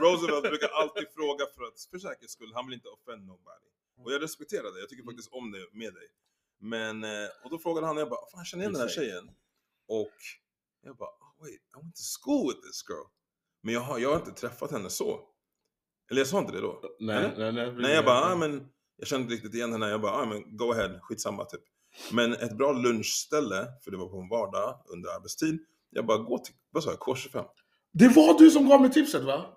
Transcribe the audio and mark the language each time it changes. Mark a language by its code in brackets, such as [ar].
[sv] Roosevelt brukar alltid fråga för att för säkerhets skull, han vill inte [en] offend nobody. [sv] Och jag respekterar det. Jag tycker faktiskt om det med dig. Men och då frågade han, jag bara, fan, känner igen den här tjejen. Och jag bara, [en] wait, I went to school with this girl. [sv] Men jag har inte träffat henne så. Eller jag sa inte det då. Nej, jag bara, men jag kände riktigt igen henne. Jag bara, men [en] go ahead, [sv] skitsamma typ. Men ett bra lunchställe, för det var på en vardag under arbetstid. Jag bara, gå till, vad sa jag, K25. Det var du som gav mig tipset, va?